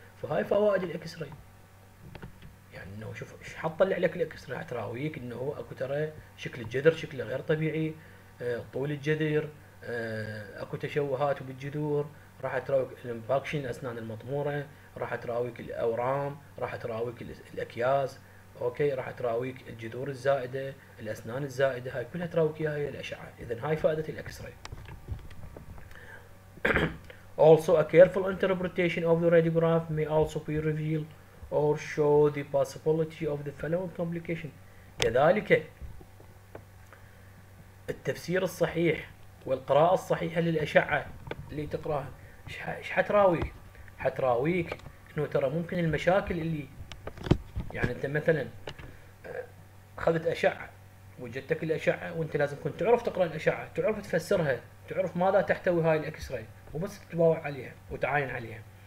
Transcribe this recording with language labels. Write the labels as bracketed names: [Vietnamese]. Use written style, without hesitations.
[Arabic] فهاي فوائد الاكس راي، يعني انه شوف ايش حطلع لك الاكس راي، تراويك انه هو اكو ترى شكل الجذر شكله غير طبيعي، طول الجذر، اكو تشوهات بالجذور، راح تراويك الامباكشن الاسنان المطموره، راح تراويك الاورام، راح تراويك الاكياس، اوكي راح تراويك الجذور الزائده، الاسنان الزائده، هاي كلها تراويك اياها الاشعه. اذا هاي فائده الاكس راي. [English] Also a careful interpretation of the radiograph may also be revealed or show the possibility of the following complication. [Arabic] كذلك التفسير الصحيح والقراءة الصحيحة للأشعة اللي تقراها ايش حتراويك؟ حتراويك انه ترى ممكن المشاكل اللي، يعني انت مثلا اخذت أشعة وجدتك الأشعة وانت لازم كنت تعرف تقرأ الأشعة، تعرف تفسرها، تعرف ماذا تحتوي هاي الاكس راي، وبس تتباوع عليها وتعاين عليها.